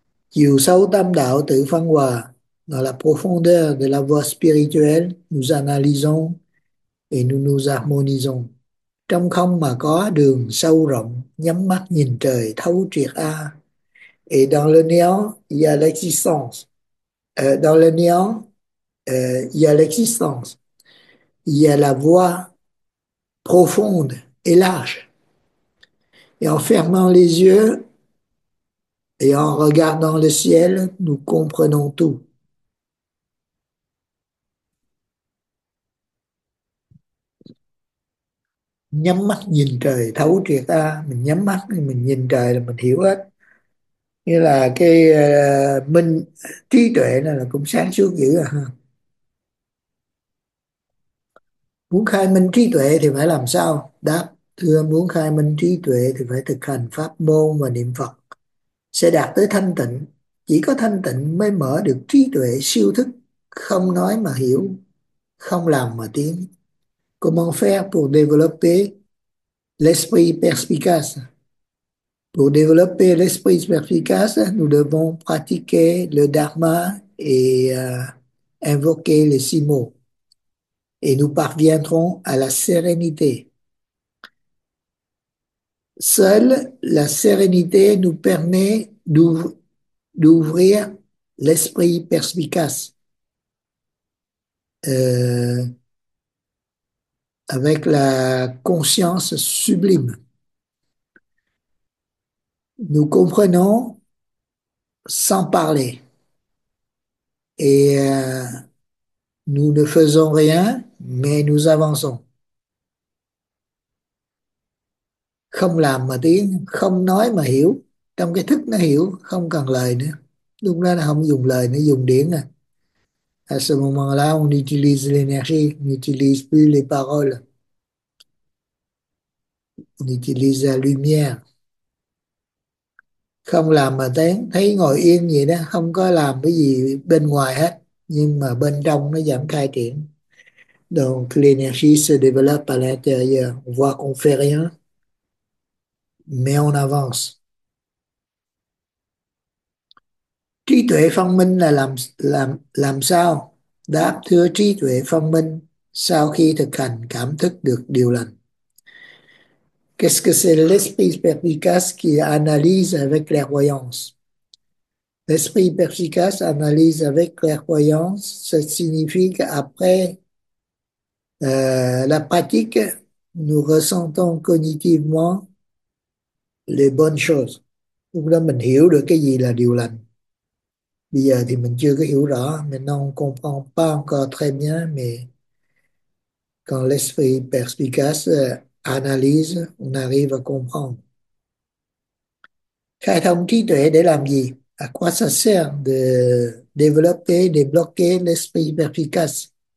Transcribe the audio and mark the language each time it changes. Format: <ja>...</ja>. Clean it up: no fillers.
<vi>Chiều sâu tâm đạo tự phân hòa,</vi> <fr>dans la profondeur de la voie spirituelle, nous analysons et nous nous harmonisons.</fr> <vi>Trong không mà có đường sâu rộng, nhắm mắt nhìn trời thấu triệt a.</vi> <fr>Et dans le néant, il y a l'existence. Dans le néant, il y a l'existence. Il y a la voie profonde et large. Et en fermant les yeux et en regardant le ciel, nous comprenons tout.</fr> <vi>Nhắm mắt nhìn trời thấu triệt a, mình nhắm mắt mình nhìn trời là mình hiểu hết, như là cái mình trí tuệ này là cũng sáng suốt dữ à ha. Muốn khai minh trí tuệ thì phải làm sao? Đáp: thưa, muốn khai minh trí tuệ thì phải thực hành pháp môn và niệm Phật sẽ đạt tới thanh tịnh. Chỉ có thanh tịnh mới mở được trí tuệ siêu thức, không nói mà hiểu, không làm mà tiến.</vi> <fr>Comment faire pour développer l'esprit perspicace? Pour développer l'esprit perspicace, nous devons pratiquer le dharma et invoquer les six mots. Et nous parviendrons à la sérénité. Seule la sérénité nous permet d'ouvrir l'esprit perspicace. Avec la conscience sublime. Nous comprenons sans parler. Et nous ne faisons rien, mais nous avançons.</fr> <vi>Không làm mà tiếng, không nói mà hiểu. Trong cái thức nó hiểu, không cần lời nữa. Lúc đó nó không dùng lời, nó dùng điển à.</vi> <fr>À ce moment-là, on utilise l'énergie, on n'utilise plus les paroles. On utilise la lumière.</fr> <vi>Không làm mà thấy ngồi yên vậy đó, không có làm cái gì bên ngoài hết, nhưng mà bên trong nó vẫn khai triển.</vi> <fr>Donc l'énergie se développe à l'intérieur. On voit qu'on fait rien, mais on avance.</fr> <vi>Trí tuệ phân minh là làm sao? Đáp: thưa, trí tuệ phân minh sau khi thực hành cảm thức được điều lành.</vi> <fr>Qu'est-ce que c'est l'esprit perspicace qui analyse avec clairvoyance? L'esprit perspicace analyse avec clairvoyance. Ça signifie qu'après la pratique, nous ressentons cognitivement les bonnes choses.</fr> <vi>Lúc đó mình hiểu được cái gì là điều lành. Bây giờ thì mình chưa có hiểu rõ, mình không</vi> <fr>comprend pas encore très bien, mais quand l'esprit perspicace analyse, on arrive à comprendre.</fr> <vi>Khai thông trí tuệ để làm gì?</vi> <fr>À quoi ça sert de développer, débloquer l'esprit perspicace?</fr>